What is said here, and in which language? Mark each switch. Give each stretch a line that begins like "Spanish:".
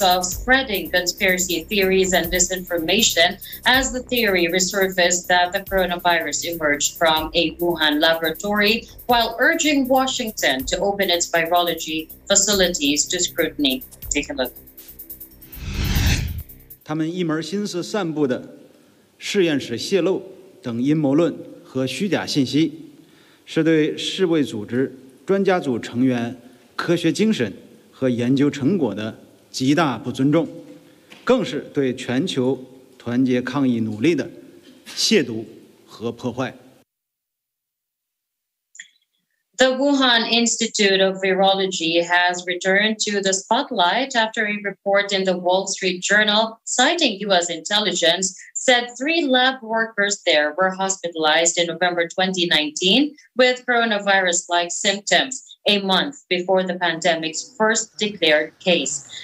English: of spreading conspiracy theories and disinformation as the theory resurfaced that the coronavirus emerged from a Wuhan laboratory, while urging Washington to open its virology facilities to scrutiny. Take a look.
Chinese: 他们一门心思散布的试验室泄露等阴谋论和虚假信息，是对世卫组织专家组成员科学精神 和研究成果的极大不尊重，更是对全球团结抗疫努力的亵渎和破坏。
English: The Wuhan Institute of Virology has returned to the spotlight after a report in the Wall Street Journal, citing U.S. intelligence, said three lab workers there were hospitalized in November 2019 with coronavirus-like symptoms, a month before the pandemic's first declared case.